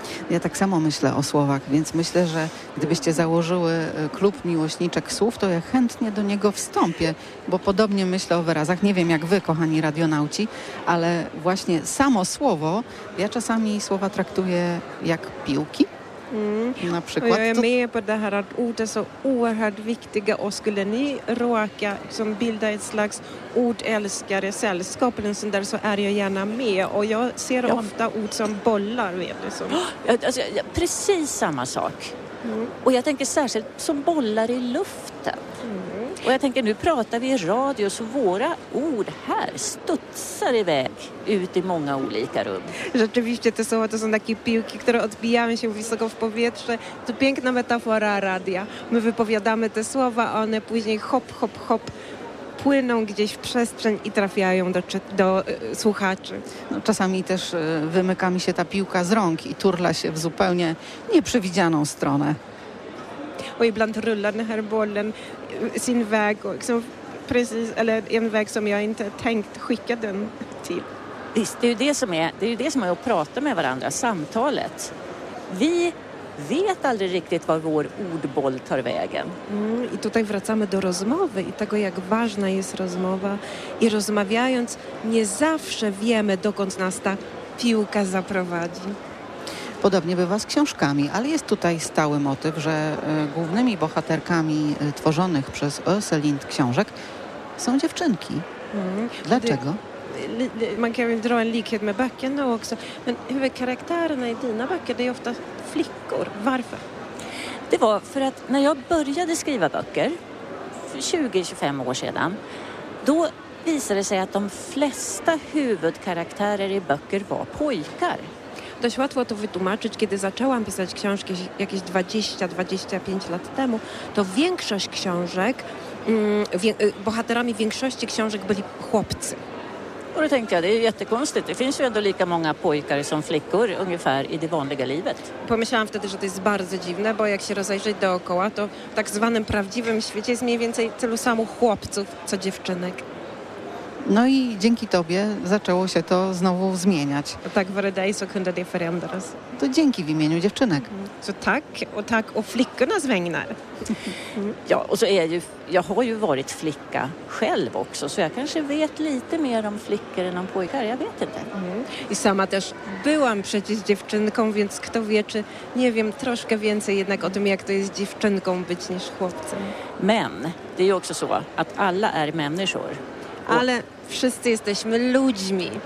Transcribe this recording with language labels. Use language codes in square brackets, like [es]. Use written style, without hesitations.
[pl] Ja tak samo myślę o słowach, więc myślę, że gdybyście założyły klub miłośniczek słów, to ja chętnie do niego wstąpię, bo podobnie myślę o wyrazach. Nie wiem jak wy, kochani radionauci, ale właśnie samo słowo, ja czasami słowa traktuję jak piłki. Na przykład. [sv] Jag är med på det här att ord är så oerhört viktiga och skulle ni råka som bilda ett slags ordälskare sällskap eller sånt där så är jag gärna med och jag ser ofta ord som bollar vet du, som... Alltså, precis samma sak och jag tänker särskilt som bollar i luften och jag tänker nu pratar vi i radio så våra ord här studsar iväg ut i många olika rum. [pl] Rzeczywiście te słowa to są takie piłki, które odbijają się wysoko w powietrze. To piękna metafora radia. My wypowiadamy te słowa, a one później hop, hop, hop płyną gdzieś w przestrzeń i trafiają do słuchaczy. No, czasami też wymyka mi się ta piłka z rąk i turla się w zupełnie nieprzewidzianą stronę. [sv] Och ibland rullar den här bollen sin väg och liksom precis eller en väg som jag inte tänkt skicka den till. Det är ju det som är, det är ju det som är att prata med varandra, samtalet. Vi vet aldrig riktigt var vår ordboll tar vägen. [pl] I tutaj wracamy do rozmowy i tego jak ważna jest rozmowa i rozmawiając nie zawsze wiemy dokąd nas ta piłka zaprowadzi. Podobnie bywa z książkami, ale jest tutaj stały motyw, że głównymi bohaterkami tworzonych przez Else Lind książek są dziewczynki. Dlaczego? [sv] Man kan ju dra en likhet med böckerna också, men huvudkaraktärerna i dina böcker är ofta flickor. Varför? Det var för att när jag började skriva böcker för 20-25 år sedan, då visade det sig att de flesta huvudkaraktärer i böcker var pojkar. [pl] Dość łatwo to wytłumaczyć, kiedy zaczęłam pisać książki jakieś 20-25 lat temu, to większość książek, bohaterami większości książek byli chłopcy. [sv] Och då tänkte jag, det är jättekonstigt, det finns ju ändå lika många pojkar som flickor ungefär i det vanliga livet. [pl] Pomyślałam wtedy, że to jest bardzo dziwne, bo jak się rozejrzeć dookoła, to w tak zwanym prawdziwym świecie jest mniej więcej tylu samo chłopców, co dziewczynek. No i dzięki tobie zaczęło się to znowu zmieniać. [sv] Tak, varje dag så kunde det förändras. [pl] To dzięki w imieniu dziewczynek. [sv] Så tack och tack och flickornas vägnar. Ja, och så är ju, jag har ju varit flicka själv också, så jag kanske vet lite mer om flickor än om pojkar, jag vet inte. [pl] I sama też byłam przecież dziewczynką, więc kto wie, czy nie wiem, troszkę więcej jednak o tym, jak to jest dziewczynką być niż chłopcem. [sv] Men, det är ju också så att alla är människor. [pl] Ale wszyscy jesteśmy ludźmi.